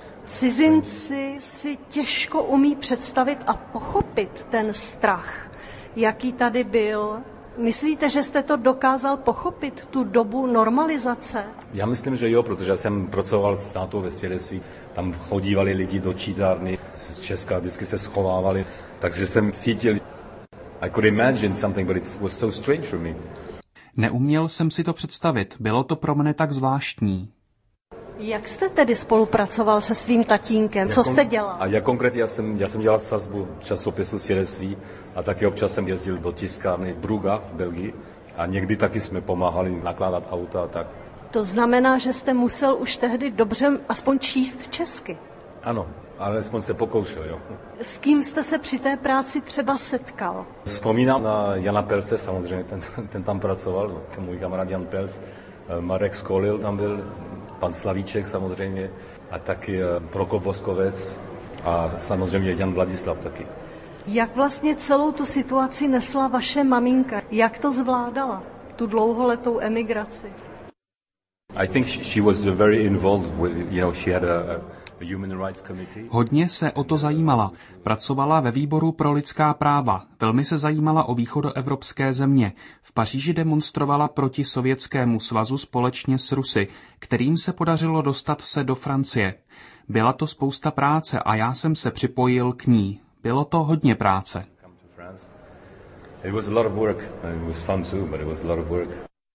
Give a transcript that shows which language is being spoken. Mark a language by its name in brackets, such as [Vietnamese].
[Czech] Cizinci si těžko umí představit a pochopit ten strach, jaký tady byl. Myslíte, že jste to dokázal pochopit, tu dobu normalizace? Já myslím, že jo, protože já jsem pracoval s tátou ve svědectví. Tam chodívali lidi do čítárny z Česka, vždycky se schovávali. Takže jsem cítil, [English] I could imagine something, but it was so strange for me. [Czech] Neuměl jsem si to představit, bylo to pro mne tak zvláštní. Jak jste tedy spolupracoval se svým tatínkem? Co jste dělal? A já konkrétně já jsem dělal sazbu časopisu Svědectví a taky občas jsem jezdil do tiskárny v Brugách v Belgii a někdy taky jsme pomáhali nakládat auta a tak. To znamená, že jste musel už tehdy dobře aspoň číst česky? Ano, ale aspoň se pokoušel, jo. S kým jste se při té práci třeba setkal? Vzpomínám na Jana Pelce, samozřejmě ten tam pracoval, no, můj kamarád Jan Pelc, Marek Skolil tam byl. Pan Slavíček samozřejmě a taky Prokop Voskovec a samozřejmě Jan Vladislav taky. Jak vlastně celou tu situaci nesla vaše maminka? Jak to zvládala, tu dlouholetou emigraci? [English] I think she was very involved with, you know, she had a human rights committee. [Czech] Hodně se o to zajímala. Pracovala ve výboru pro lidská práva. Velmi se zajímala o východoevropské země. V Paříži demonstrovala proti Sovětskému svazu společně s Rusy, kterým se podařilo dostat se do Francie. Byla to spousta práce a já jsem se připojil k ní. Bylo to hodně práce. [English] It was a lot of work. It was fun too, but it was a lot of work.